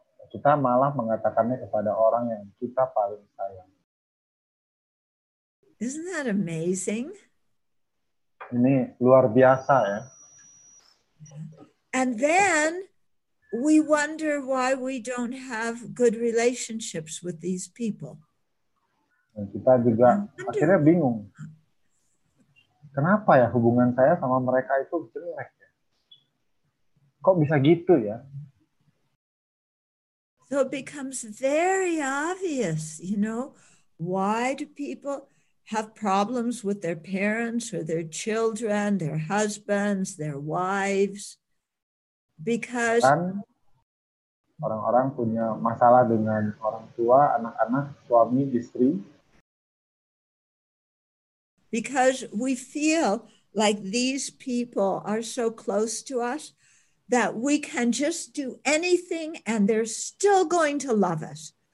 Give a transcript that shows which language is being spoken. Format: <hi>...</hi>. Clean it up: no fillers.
<id>Kita malah mengatakannya kepada orang yang kita paling sayang.</id> <en>Isn't that amazing?</en> <id>Ini luar biasa ya.</id> <en>And then we wonder why we don't have good relationships with these people.</en> <id>Dan kita juga akhirnya bingung. Kenapa ya hubungan saya sama mereka itu jelek ya? Kok bisa gitu ya?</id> <en>So it becomes very obvious, you know, why do people have problems with their parents or their children, their husbands, their wives? Because</en> <id>orang-orang punya masalah dengan orang tua, anak-anak, suami, istri.</id> <en>Because we feel like these people are so close to us that we can just do anything and they're still going to love us.</en>